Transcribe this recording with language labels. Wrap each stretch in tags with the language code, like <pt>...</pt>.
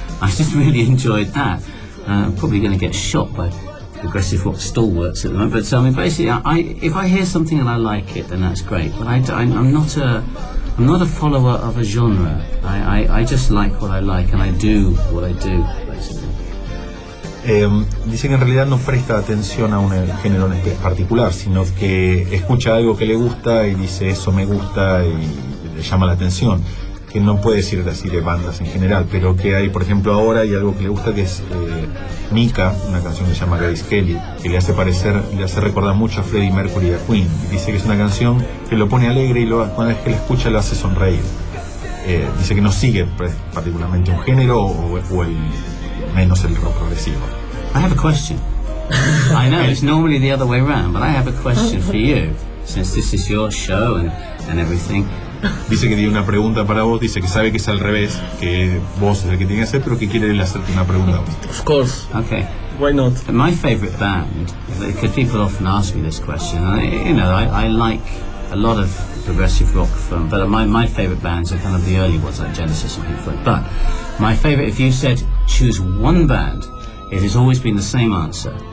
<en>I just really enjoyed that. I'm probably going to get shot by progressive rock stalwarts at the moment. But so, I mean, basically, if I hear something and I like it, then that's great. But I'm not a follower of a genre. I just like what I like, and I do what I do, basically.</en> <es>Dice que en realidad no presta atención a un género en este particular, sino que escucha algo que le gusta y dice eso me gusta y le llama la atención, que no puede decir así de bandas en general, pero que hay, por ejemplo, ahora hay algo que le gusta, que es Mika, una canción que se llama Grace Kelly, que le hace recordar mucho a Freddie Mercury y a Queen. Dice que es una canción que lo pone alegre y cuando es que la escucha lo hace sonreír. Dice que no sigue particularmente un género o el menos el rock progresivo.</es> <en>I have a question. I know it's normally the other way around, but I have a question for you, since this is your show and everything.</en> <es>Dice que tiene una pregunta para vos, dice que sabe que es al revés, que vos es el que tiene que hacer, pero que quiere él hacerte una pregunta a vos.</es> <en>Of course. Okay. Why not? My favorite band, because people often ask me this question, I like a lot of progressive rock film, but my favorite bands are kind of the early ones, like Genesis and Pink Floyd. But my favorite, if you said choose one band, it has always been the same answer.</en>